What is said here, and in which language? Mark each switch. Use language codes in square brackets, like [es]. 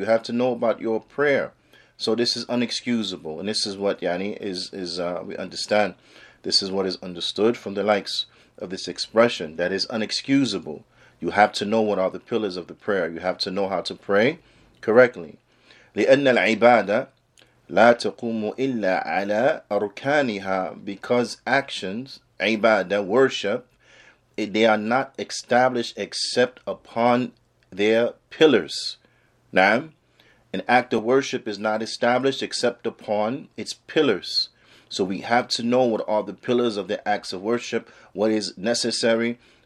[en] You have to know about your prayer. So this is unexcusable. And this is what, Yani, we understand. This is what is understood from the likes of this expression, that is unexcusable. You have to know what are the pillars of the prayer. You have to know how to pray correctly. [ar] لأن العبادة لا تقوم إلا على أركانها. [en] Because actions, عبادة, worship, they are not established except upon their pillars. Now, an act of worship is not established except upon its pillars. So we have to know what are the pillars of the acts of worship, what is necessary.